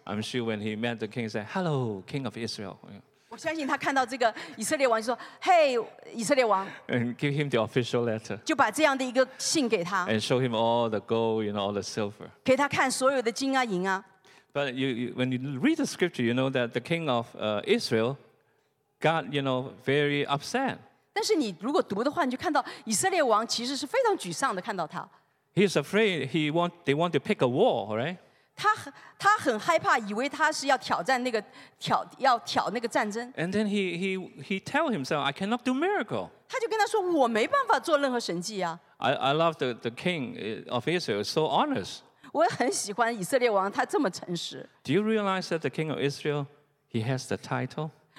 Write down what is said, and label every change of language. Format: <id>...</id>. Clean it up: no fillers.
<en>I'm sure when he met the king, he said, "Hello, King of Israel."</en> <zh>我相信他看到这个以色列王就说, "Hey, 以色列王."</zh> <en>And give him the official letter.</en> <zh>就把这样的一个信给他。</zh> <en>And show him all the gold, you know, all the silver.</en> <zh>给他看所有的金啊银啊。</zh> <en>But when you read the scripture, you know that the king of Israel got, you know, very upset.</en> <zh>但是你如果读的话，你就看到以色列王其实是非常沮丧的看到他。</zh> <en>He's afraid they want to pick a war, right?</en> <zh>他很害怕，以为他是要挑战那个战争。</zh> <en>And then he tell himself, "I cannot do miracle."</en> <zh>他就跟他说，我没办法做任何神迹啊。I</zh> <en>love the king of Israel so honest.</en> <zh>我很喜欢以色列王，他这么诚实。Do</zh> <en>you realize that the king of Israel, he has the title?</en>